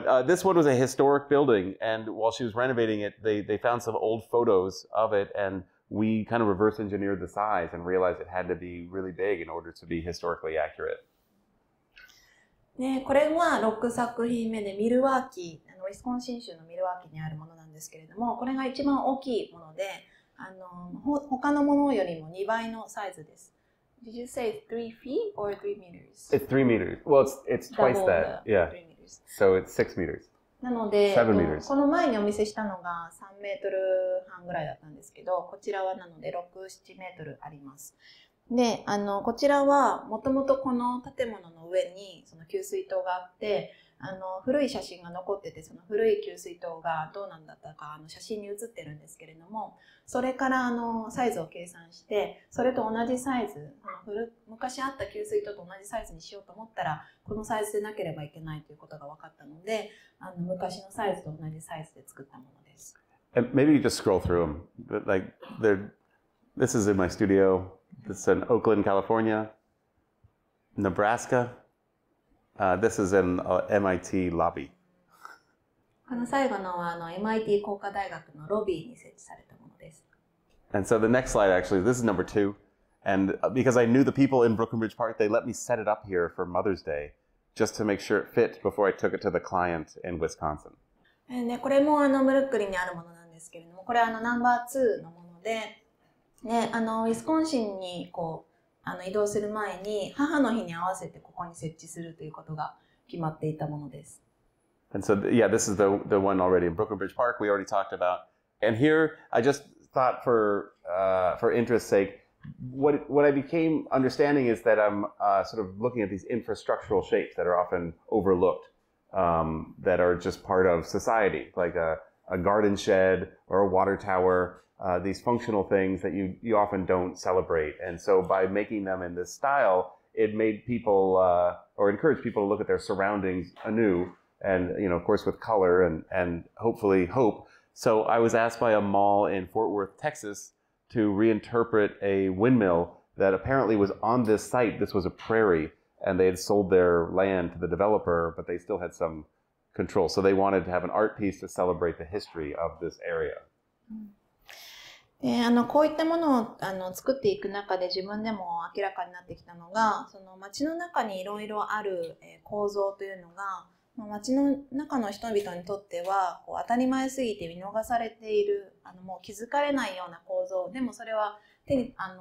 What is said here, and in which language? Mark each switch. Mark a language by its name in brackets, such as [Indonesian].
[English] This one was a historic building, and while she was renovating it, they found some old photos of it, and we kind of reverse engineered the size and realized it had to be really big in order to be historically accurate. [Japanese] ね、これは6作品目でミルワーキー、ウィスコンシン州のミルワーキーにあるものなんですけれども、これが一番大きいもので、他のものよりも2倍のサイズです。 [English] Did you say 3 feet or 3 meters? It's 3 meters. Well, it's twice that. Double the, yeah. 3 meters. So it's 6 meters. [Japanese] なので、 [English] 7 meters. [Japanese] この前にお見せしたのが3メートル半ぐらいだったんですけど、こちらはなので6、7メートルあります。で、こちらはもともとこの建物の上にその給水塔があって古い写真が残っててその古い給水塔がどうなんだったか写真に写ってるんですけれどもそれからサイズを計算してそれと同じサイズ昔あった給水塔と同じサイズにしようと思ったらこのサイズでなければいけないということが分かったので昔のサイズと同じサイズで作ったものです。 [English] And maybe you just scroll through them, but like, this is in my studio. This is in Oakland, California, Nebraska. This is in MIT lobby. [Japanese] この最後のは MIT 工科大学のロビーに設置されたものです。 [English] And so the next slide, actually, this is number two. And because I knew the people in Brookenbridge Park, they let me set it up here for Mother's Day, just to make sure it fit before I took it to the client in Wisconsin. And [Japanese] これもブルックリンにあるものなんですけれども、これナンバーツーのもので、ね、ウィスコンシンにこう移動する前に母の日に合わせてここに設置するということが決まっていたものです。 [English] And so, yeah, this is the one already in Brookenbridge Park we already talked about. And here, I just thought for interest's sake, what I became understanding is that I'm sort of looking at these infrastructural shapes that are often overlooked, that are just part of society, like a garden shed or a water tower. These functional things that you often don't celebrate. And so by making them in this style, it made people, or encouraged people to look at their surroundings anew. And, you know, of course, with color and hopefully hope. So I was asked by a mall in Fort Worth, Texas, to reinterpret a windmill that apparently was on this site. This was a prairie and they had sold their land to the developer, but they still had some control. So they wanted to have an art piece to celebrate the history of this area. Mm-hmm. [Japanese] こういったものを作っていく中で自分でも明らかになってきたのがその街の中にいろいろある構造というのが街の中の人々にとってはこう当たり前すぎて見逃されているもう気づかれないような構造でもそれは手に